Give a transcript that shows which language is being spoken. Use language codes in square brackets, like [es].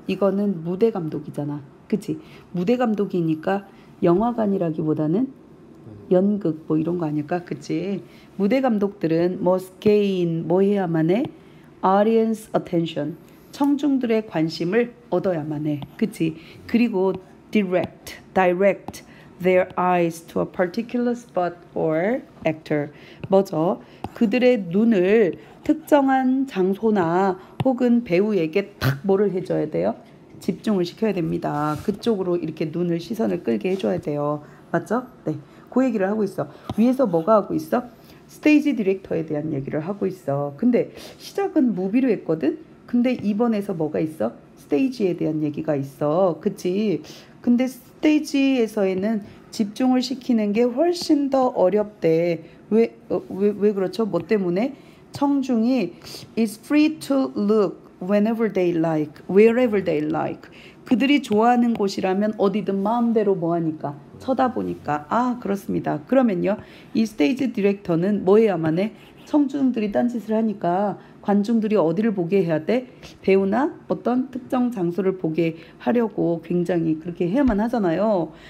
[ko] 이거는 무대 감독이잖아. 그지? 무대 감독이니까 영화관이라기보다는 연극 뭐 이런 거 아닐까? 그지? 무대 감독들은 [en] must gain [ko] 뭐 해야만 해? [en] audience attention. [ko] 청중들의 관심을 얻어야만 해. 그치? 그리고 [en] direct their eyes to a particular spot or actor. [ko] 뭐죠? 그들의 눈을 특정한 장소나 혹은 배우에게 탁 뭐를 해줘야 돼요? 집중을 시켜야 됩니다. 그쪽으로 이렇게 눈을 시선을 끌게 해줘야 돼요. 맞죠? 네. 그 얘기를 하고 있어. 위에서 뭐가 하고 있어? 스테이지 디렉터에 대한 얘기를 하고 있어. 근데 시작은 무비로 했거든? 근데 2번에서 뭐가 있어? 스테이지에 대한 얘기가 있어. 그치? 근데 스테이지에서에는 집중을 시키는 게 훨씬 더 어렵대. 왜 그렇죠? 뭐 때문에? 청중이 [en] is free to look whenever they like, wherever they like. [ko] 그들이 좋아하는 곳이라면 어디든 마음대로 뭐 하니까. 쳐다보니까. 아, 그렇습니다. 그러면요. 이 스테이지 디렉터는 뭐 해야만 해? 청중들이 딴짓을 하니까 관중들이 어디를 보게 해야 돼? 배우나 어떤 특정 장소를 보게 하려고 굉장히 그렇게 해야만 하잖아요.